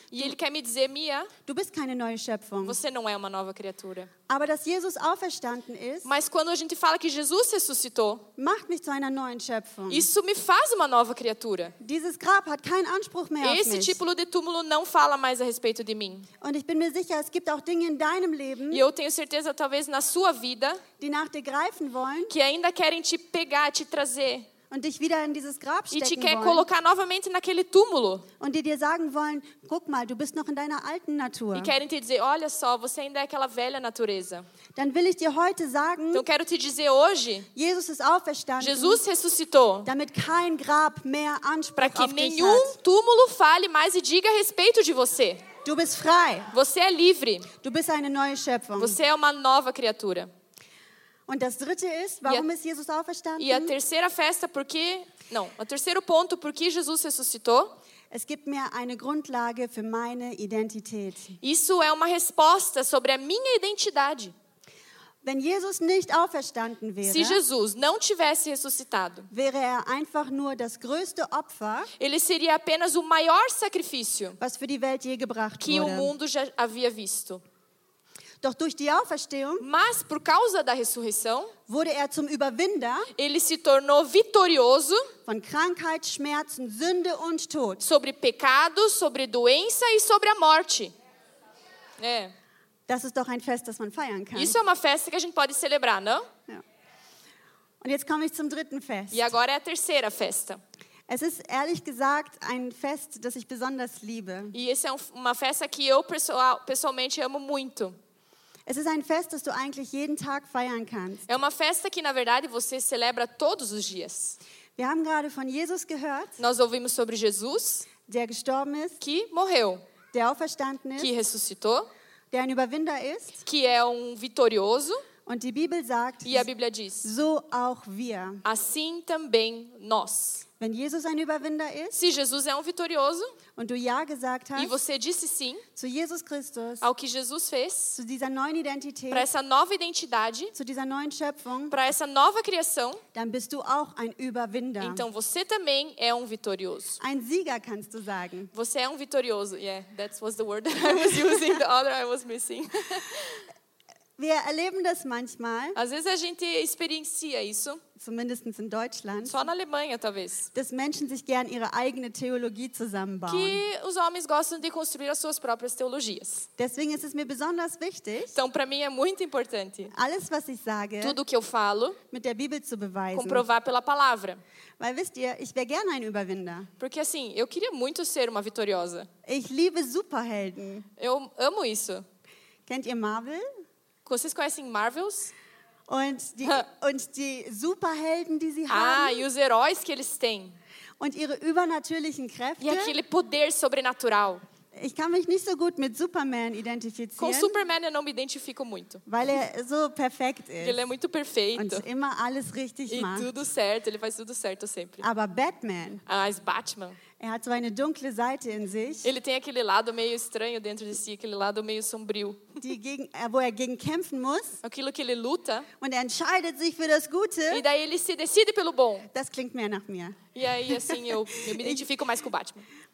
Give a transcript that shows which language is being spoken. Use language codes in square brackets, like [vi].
[pt] E ele quer me dizer, Mia. [de] Du bist keine neue Schöpfung. [pt] Você não é uma nova criatura. [de] Aber dass Jesus auferstanden ist. [pt] Mas quando a gente fala que Jesus ressuscitou. [de] Macht mich zu einer neuen Schöpfung. [pt] Isso me faz uma nova criatura. [de] Dieses Grab hat keinen Anspruch mehr [pt] esse [de] auf mich. [pt] Esse tipo de túmulo não fala mais a respeito de mim. [de] Und ich bin mir sicher, es gibt auch Dinge in deinem Leben. [pt] E eu tenho certeza, talvez na sua vida, [de] die nach dir greifen wollen. [pt] Que ainda querem te pegar, te trazer. [de] Und dich wieder in dieses Grab stecken [pt] e te quer [de] wollen. [pt] Colocar novamente naquele túmulo. [de] Und die dir sagen wollen, guck mal, du bist noch in deiner alten Natur. [pt] E querem te dizer, olha só, você ainda é aquela velha natureza. [de] Dann will ich dir heute sagen, [pt] então quero te dizer hoje, [de] Jesus ist auferstanden, [pt] Jesus ressuscitou, [de] damit kein Grab mehr Anspruch [pt] para que [de] auf [pt] nenhum [de] dich hat. [pt] Túmulo fale mais e diga a respeito de você. [de] Du bist frei. [pt] Você é livre. [de] Du bist eine neue Schöpfung. [pt] Você é uma nova criatura. [de] Und das dritte ist, warum ist Jesus auferstanden? [pt] E a terceira festa, porque não, o terceiro ponto, por que Jesus ressuscitou? [de] Es gibt mir eine Grundlage für meine Identität. [pt] Isso é uma resposta sobre a minha identidade. [de] Wenn Jesus nicht auferstanden wäre, [pt] se Jesus não tivesse ressuscitado, [de] wäre er einfach nur das größte Opfer, [pt] ele seria apenas o maior sacrifício, [de] was für die Welt je gebracht [pt] que [de] wurde. [pt] O mundo já havia visto. [de] Doch durch die Auferstehung, [pt] mas por causa da ressurreição, [de] wurde er zum Überwinder, [pt] ele se tornou vitorioso, [de] von Krankheit, Schmerzen, Sünde und Tod, [pt] sobre pecado, sobre doença e sobre a morte. É. [de] Das ist doch ein Fest, das man feiern kann. [pt] Isso é uma festa que a gente pode celebrar, não? [de] Ja. Und jetzt komme ich zum dritten Fest. [pt] E agora é a terceira festa. [de] Es ist ehrlich gesagt ein Fest, das ich besonders liebe. [pt] E esse é uma festa que eu pessoalmente amo muito. [de] Es ist ein Fest, das du eigentlich jeden Tag feiern kannst. [pt] É uma festa que na verdade você celebra todos os dias. [de] Wir haben gerade von Jesus gehört. [pt] Nós ouvimos sobre Jesus, [de] der gestorben ist, [pt] que morreu, [de] der auferstanden ist, [pt] que ressuscitou, [de] der ein Überwinder ist, [pt] que é vitorioso. [de] Und die Bibel sagt, [pt] e a Bíblia diz, [de] so auch wir. [pt] Assim também nós. [de] Wenn Jesus ein Überwinder ist, [pt] se Jesus é vitorioso, [de] und du ja gesagt hast, [pt] e você disse sim, [de] zu Jesus Christus, [pt] ao que Jesus fez, [de] zu dieser neuen Identität, [pt] para essa nova identidade, [de] zu dieser neuen Schöpfung, [pt] para essa nova criação, [de] dann bist du auch ein Überwinder. [pt] Então você também é vitorioso. [de] Ein Sieger, kannst du sagen. [pt] Você é vitorioso. [en] Yeah, that was the word that I was using, the other I was missing. [de] Wir erleben das manchmal. [pt] Às vezes a gente experiencia isso. [de] Zumindest in Deutschland. [pt] Só na Alemanha, talvez. [de] Dass Menschen sich gern ihre eigene Theologie zusammenbauen. [pt] Que os homens gostam de construir as suas próprias teologias. [de] Deswegen ist es mir besonders wichtig. [pt] Então, para mim é muito importante. [de] Alles, was ich sage. [pt] Tudo que eu falo. [de] Mit der Bibel zu beweisen. [pt] Comprovar pela palavra. [de] Weil wisst ihr, ich wäre gerne ein Überwinder. [pt] Porque assim, eu queria muito ser uma vitoriosa. [de] Ich liebe Superhelden. [pt] Eu amo isso. [de] Kennt ihr Marvel? [pt] Vocês conhecem Marvels? [de] Und die Superhelden, die sie haben. [pt] Ah, e os heróis que eles têm. [de] Und ihre übernatürlichen Kräfte. [pt] E aquele poder sobrenatural. [de] Ich kann mich nicht so gut mit Superman identifizieren. [pt] Com Superman eu não me identifico muito. [de] Weil er so perfekt ist. [pt] Ele é muito perfeito. [de] Und immer alles richtig [pt] e [de] macht. [pt] Tudo certo, ele faz tudo certo sempre. [de] Aber Batman. Ah, als Batman. Er hat so eine dunkle Seite in sich. [pt] Ele tem aquele lado meio estranho dentro de si, aquele lado meio sombrio. [de] Wo er gegen kämpfen muss. [pt] Aquilo que ele luta. [de] Und er entscheidet sich für das Gute. [pt] E daí ele se decide pelo bom. [de] Das klingt mehr nach mir. [pt] E aí assim eu me identifico mais com o Batman.